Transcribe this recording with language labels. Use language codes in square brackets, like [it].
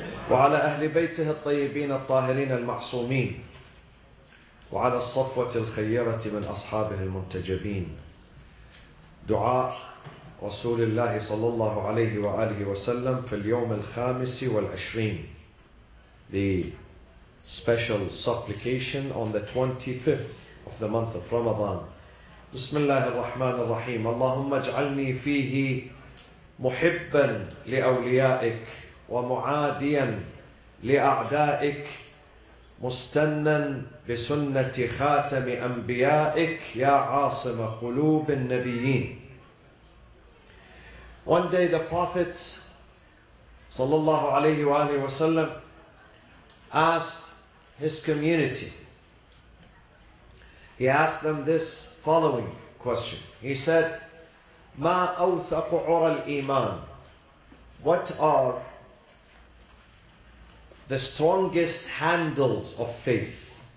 [ar] وعلى أهل بيته الطيبين الطاهرين المعصومين وعلى الصفوة الخيرة من أصحابه المنتجبين. دعاء رسول الله صلى الله عليه وآله وسلم في اليوم الخامس والعشرين. [en] The special supplication on the 25th of the month of Ramadan. [ar] بسم الله الرحمن الرحيم. اللهم اجعلني فيه محبا لأوليائك ومعاديا لأعدائك مستنا بسنة خاتم أنبيائك يا عاصم قلوب النبيين. [en] One day the Prophet sallallahu alayhi wa alayhi wa sallam asked his community, he asked them this following question. He said, [ar] مَا أَوْثَقُ عُرَى الْإِيمَانِ, [en] what are the strongest handles of faith?